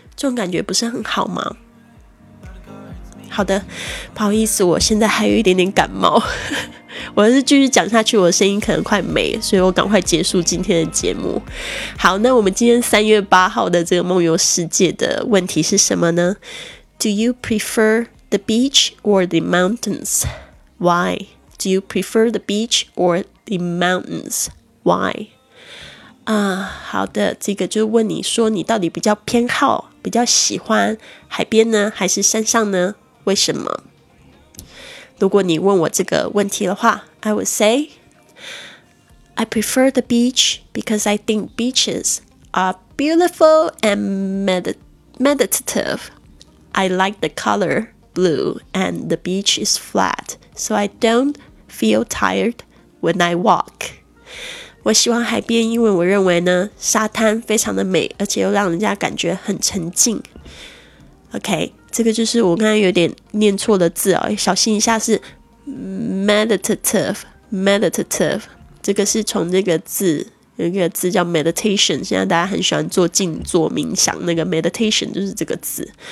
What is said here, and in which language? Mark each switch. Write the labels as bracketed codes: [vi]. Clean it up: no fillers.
[zh] 这种感觉不是很好吗？好的，不好意思，我现在还有一点点感冒。我要是继续讲下去我的声音可能快没，所以我赶快结束今天的节目。好，那我们今天3月8号的这个梦游世界的问题是什么呢？ [en] Do you prefer the beach or the mountains? Why? Do you prefer the beach or the mountains? Why? [zh] 好的，这个就问你说你到底比较偏好比较喜欢海边呢还是山上呢，为什么？如果你问我这个问题的话， [en] I would say I prefer the beach because I think beaches are beautiful and meditative. I like the color blue and the beach is flat, so I don't feel tired when I walk. [zh] 我喜欢海边，因为我认为呢沙滩非常的美，而且又让人家感觉很沉静。 OK，这个就是我刚刚有点念错的字，小心一下，是 meditative， 这个是从这个字，有一个字叫 meditation， 现在大家很喜欢做静坐冥想，那个 meditation 就是这个字。